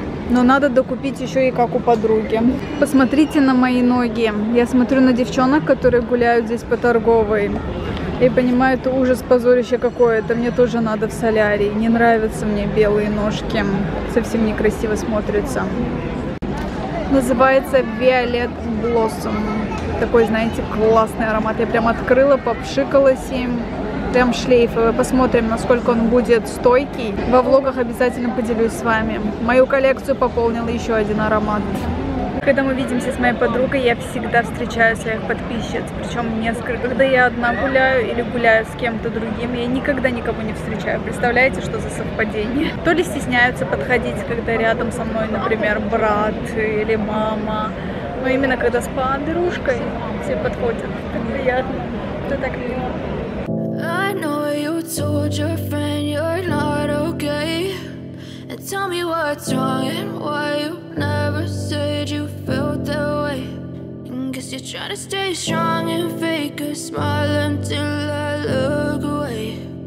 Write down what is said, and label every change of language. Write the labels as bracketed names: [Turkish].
[Russian] Но надо докупить еще и как у подруги. Посмотрите на мои ноги. Я смотрю на девчонок, которые гуляют здесь по торговой. И понимаю, это ужас, позорище какое-то. Мне тоже надо в солярий. Не нравятся мне белые ножки. Совсем некрасиво смотрится. Называется Violet Blossom. Такой, знаете, классный аромат. Я прям открыла, попшикалась им. Прям шлейфовый. Посмотрим, насколько он будет стойкий. Во влогах обязательно поделюсь с вами. Мою коллекцию пополнил еще один аромат. Когда мы видимся с моей подругой, я всегда встречаю своих подписчиц. Причем несколько. Когда я одна гуляю или гуляю с кем-то другим, я никогда никого не встречаю. Представляете, что за совпадение? То ли стесняются подходить, когда рядом со мной, например, брат или мама. Но именно когда с подружкой все подходят, так приятно, это так мило. [English] I know you told your friend you're not okay. And tell me what's wrong and why you never said you felt that way. Guess you're trying to stay strong and fake a smile until I look away.